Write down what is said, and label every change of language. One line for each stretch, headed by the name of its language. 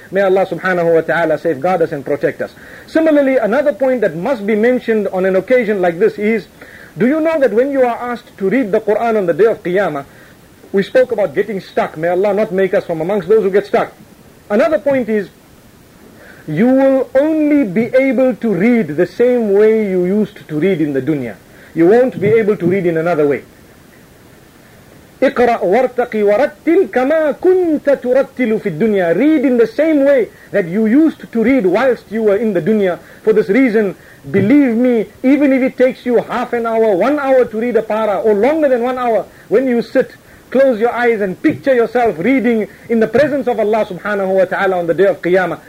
English: May Allah subhanahu wa ta'ala safeguard us and protect us. Similarly, another point that must be mentioned on an occasion like this is, do you know that when you are asked to read the Quran on the day of Qiyamah, we spoke about getting stuck. May Allah not make us from amongst those who get stuck. Another point is, you will only be able to read the same way you used to read in the dunya. You won't be able to read in another way.
Arabic: اقرأ وارتقي ورتل كما كنت ترتل في الدنيا.
English: Read in the same way that you used to read whilst you were in the dunya. For this reason, believe me, even if it takes you half an hour, 1 hour to read a para, or longer than 1 hour, when you sit, close your eyes and picture yourself reading in the presence of Allah subhanahu wa ta'ala on the day of Qiyamah.